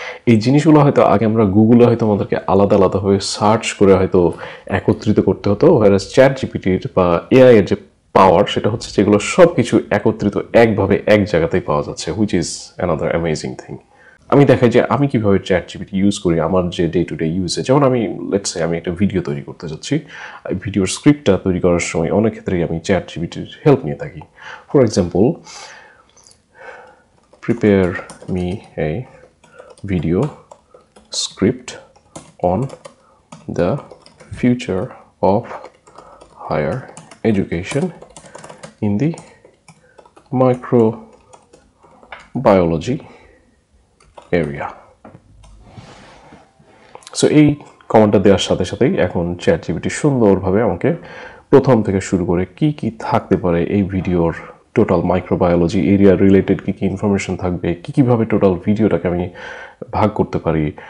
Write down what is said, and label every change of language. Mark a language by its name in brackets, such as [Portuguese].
[Bangla] এই জিনিসগুলো হয়তো আগে আমরা গুগলে হয়তো আমাদেরকে আলাদা আলাদাভাবে সার্চ করে হয়তো একত্রিত করতে হতো, হোয়ারাজ চ্যাট জিপিটির বা এআই এর যে পাওয়ার সেটা হচ্ছে যেগুলো সব কিছু একত্রিত একভাবে এক জায়গাতেই পাওয়া যাচ্ছে, [English] Which is another amazing thing. [Bangla] আমি দেখাই যে আমি কীভাবে চ্যাট জিপিটি ইউজ করি আমার যে ডে টু ডে ইউজে। যেমন আমি লেটস সে আমি একটা ভিডিও তৈরি করতে যাচ্ছি, ভিডিওর স্ক্রিপ্টটা তৈরি করার সময় অনেক ক্ষেত্রেই আমি চ্যাট জিপিটির হেল্প নিয়ে থাকি। [English] For example, prepare me a video script on the future of higher education in the microbiology area. [Bangla] So এই কমান্ডটা দেওয়ার সাথে সাথেই এখন ChatGPT সুন্দরভাবে আমাকে প্রথম থেকে শুরু করে কি কি থাকতে পারে এই ভিডিওর টোটাল মাইক্রোবায়োলজি এরিয়া রিলেটেড কি কি ইনফরমেশন থাকবে কি কি ভাবে টোটাল ভিডিওটাকে আমি ভাগ করতে পারি